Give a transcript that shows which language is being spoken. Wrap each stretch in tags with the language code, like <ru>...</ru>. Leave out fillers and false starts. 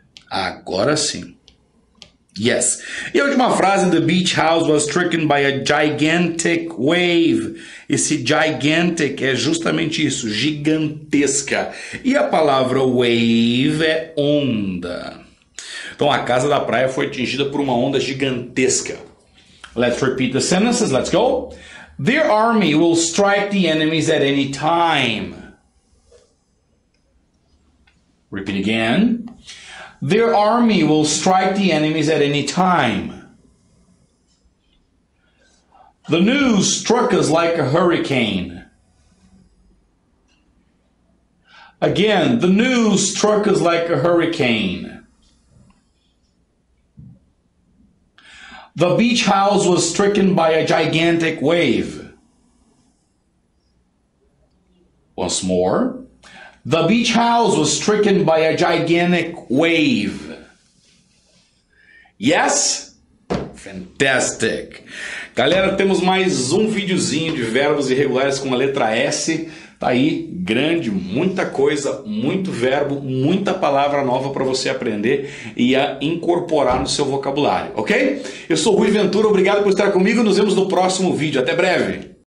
<pt>Agora sim.</pt> <en>Yes.</en> <pt>E a última frase:</pt> <en>the beach house was stricken by a gigantic wave.</en> <pt>Esse gigantic é justamente isso, gigantesca. E a palavra wave é onda. Então a casa da praia foi atingida por uma onda gigantesca.</pt> <en>Let's repeat the sentences. Let's go. Their army will strike the enemies at any time. Repeat again. Their army will strike the enemies at any time. The news struck us like a hurricane. Again, the news struck us like a hurricane. The beach house was stricken by a gigantic wave. Once more. The beach house was stricken by a gigantic wave. Yes? Fantastic.</en> <pt>Galera, temos mais um videozinho de verbos irregulares com a letra S. Tá aí, grande, muita coisa, muito verbo, muita palavra nova para você aprender e a incorporar no seu vocabulário, ok? Eu sou o Rui Ventura, obrigado por estar comigo, nos vemos no próximo vídeo. Até breve!</pt>